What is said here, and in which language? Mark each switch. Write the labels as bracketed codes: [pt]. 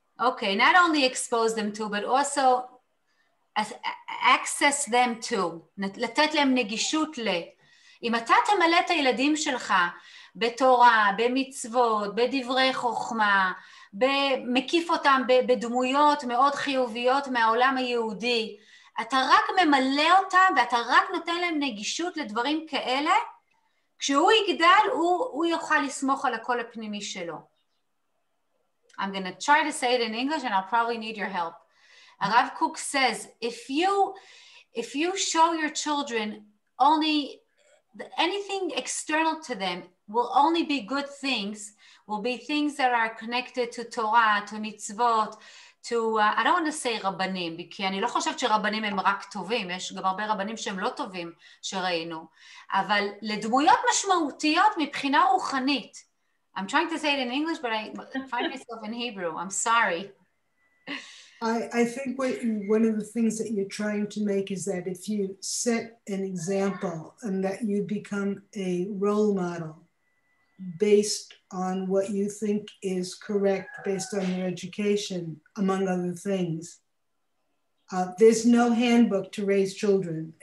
[en] Okay, not only expose them to, but also access them to. [he] לתת להם נגישות ל. אם אתה תמלא את הילדים שלך בתורה, במצוות, בדברי חוכמה, מקיף אותם בדמויות מאוד חיוביות מהעולם היהודי, אתה רק ממלא אותם ואתה רק נותן להם נגישות לדברים כאלה, כשהוא יגדל, הוא יוכל לסמוך על הקול הפנימי שלו. [en] I'm going to try to say it in English and I'll probably need your help. Rav Kook says, if you show your children only anything external to them will only be good things, will be things that are connected to Torah, to mitzvot, to, I don't want to say [he] רבנים, כי אני לא חושבת שרבנים הם רק טובים, יש גם הרבה רבנים שהם לא טובים שראינו, אבל לדמויות משמעותיות מבחינה רוחנית. [en] I'm trying to say it in English, but I find myself in Hebrew. I'm sorry. I think one of the things that you're trying to make is that if you set an example and that you become a role model based on what you think is correct, based on your education, among other things, there's no handbook to raise children.